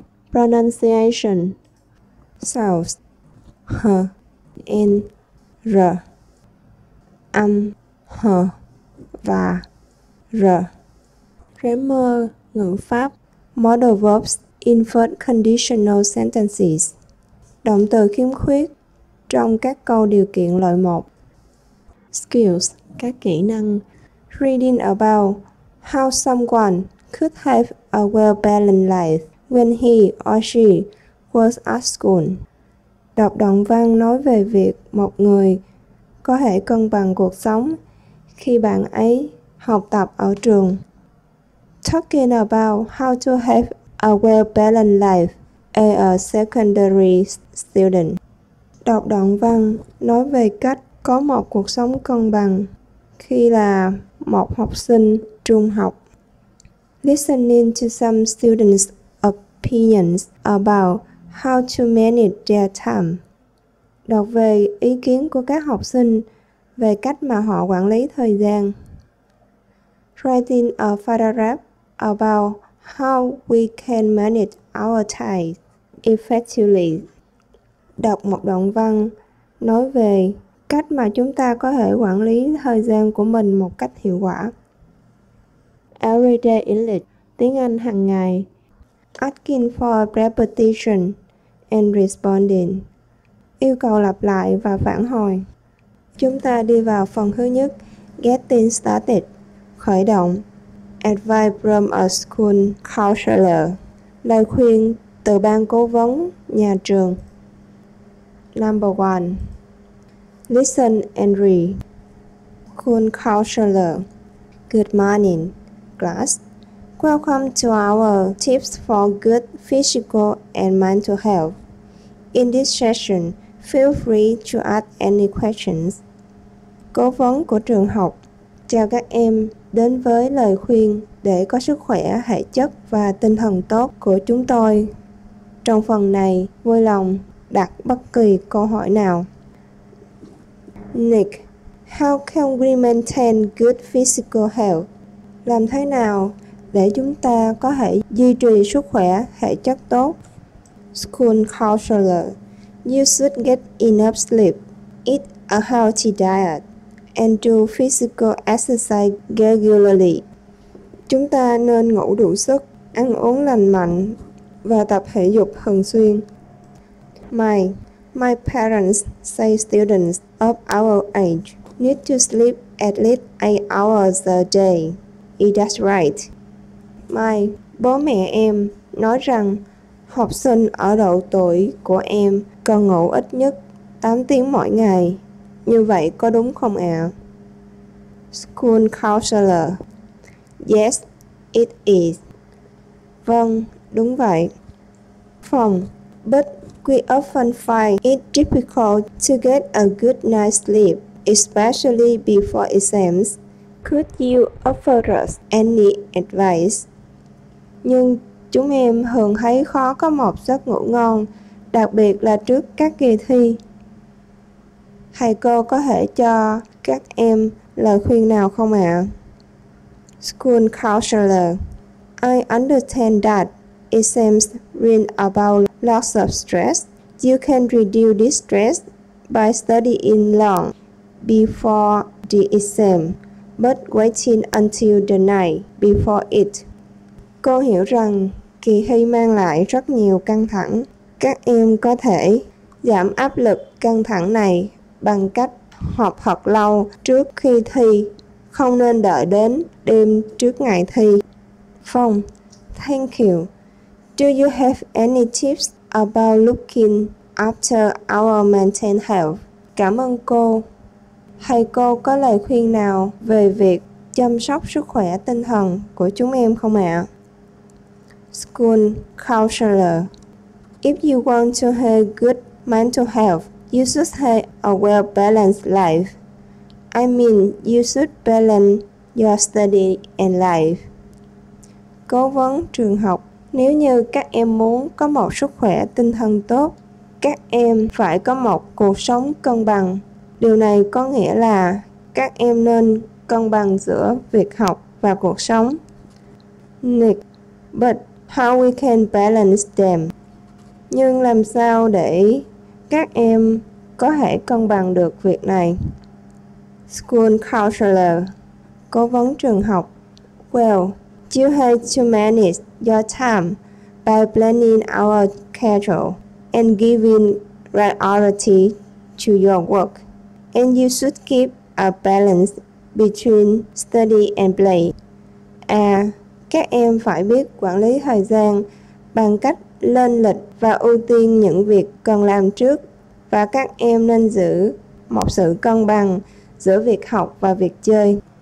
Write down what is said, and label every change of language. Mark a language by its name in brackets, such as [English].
[English] Pronunciation, sounds, h, n, r, [Vietnamese] âm, [English] h, [Vietnamese] và, [English] r. Grammar, [Vietnamese] ngữ pháp, [English] modal verbs, inferred conditional sentences, [Vietnamese] động từ khiếm khuyết trong các câu điều kiện loại 1. [English] Skills, [Vietnamese] các kỹ năng, [English] reading about how someone could have a well-balanced life when he or she was at school. [Vietnamese] Đọc đoạn văn nói về việc một người có thể cân bằng cuộc sống khi bạn ấy học tập ở trường. [English] Talking about how to have a well-balanced life as a secondary student. [Vietnamese] Đọc đoạn văn nói về cách có một cuộc sống cân bằng khi là một học sinh trung học. [English] Listening to some students' opinions about how to manage their time. [Vietnamese] Đọc về ý kiến của các học sinh về cách mà họ quản lý thời gian. [English] Writing a paragraph about how we can manage our time effectively. [Vietnamese] Đọc một đoạn văn nói về cách mà chúng ta có thể quản lý thời gian của mình một cách hiệu quả. [English] Everyday English, [Vietnamese] tiếng Anh hàng ngày. [English] Asking for repetition and responding, [Vietnamese] yêu cầu lặp lại và phản hồi. Chúng ta đi vào phần thứ nhất, [English] Getting Started, [Vietnamese] khởi động. Advice from a school counselor, lời khuyên từ từ ban cố vấn nhà trường. [English] Number one, listen and read. Kun counselor, good morning, class. Welcome to our tips for good physical and mental health. In this session, feel free to ask any questions. [Vietnamese] Cố vấn của trường học chào các em đến với lời khuyên để có sức khỏe, thể chất và tinh thần tốt của chúng tôi. Trong phần này, vui lòng đặt bất kỳ câu hỏi nào. [English] Nick, how can we maintain good physical health? [Vietnamese] Làm thế nào để chúng ta có thể duy trì sức khỏe, thể chất tốt? [English] School counselor, you should get enough sleep, eat a healthy diet, and do physical exercise regularly. [Vietnamese] Chúng ta nên ngủ đủ giấc, ăn uống lành mạnh và tập thể dục thường xuyên. [English] My parents say students of our age need to sleep at least 8 hours a day. Is that right? [Vietnamese] My bố mẹ em nói rằng học sinh ở độ tuổi của em cần ngủ ít nhất 8 tiếng mỗi ngày. Như vậy có đúng không ạ? [English] School counselor. Yes, it is. [Vietnamese] Vâng, đúng vậy. [English] From, but we often find it difficult to get a good night's sleep, especially before exams. Could you offer us any advice? [Vietnamese] Nhưng chúng em thường thấy khó có một giấc ngủ ngon, đặc biệt là trước các kỳ thi. Thầy cô có thể cho các em lời khuyên nào không ạ? [English] School counselor, I understand that exams bring about lots of stress. You can reduce this stress by studying long before the exam, but waiting until the night before it. [Vietnamese] Cô hiểu rằng kỳ thi mang lại rất nhiều căng thẳng. Các em có thể giảm áp lực căng thẳng này bằng cách học thật lâu trước khi thi, không nên đợi đến đêm trước ngày thi. [English] Phong, thank you. Do you have any tips about looking after our mental health? [Vietnamese] Cảm ơn cô. Thầy cô có lời khuyên nào về việc chăm sóc sức khỏe tinh thần của chúng em không ạ? [English] School counselor, if you want to have good mental health, you should have a well-balanced life. I mean, you should balance your study and life. [Vietnamese] Cố vấn trường học, nếu như các em muốn có một sức khỏe tinh thần tốt, các em phải có một cuộc sống cân bằng. Điều này có nghĩa là các em nên cân bằng giữa việc học và cuộc sống. [English] Nick, but how we can balance them? [Vietnamese] Nhưng làm sao để các em có thể cân bằng được việc này? [English] School counselor, [Vietnamese] cố vấn trường học. [English] Well, you have to manage your time by planning our schedule and giving priority to your work. And you should keep a balance between study and play. [Vietnamese] À, các em phải biết quản lý thời gian bằng cách lên lịch và ưu tiên những việc cần làm trước. Và các em nên giữ một sự cân bằng giữa việc học và việc chơi.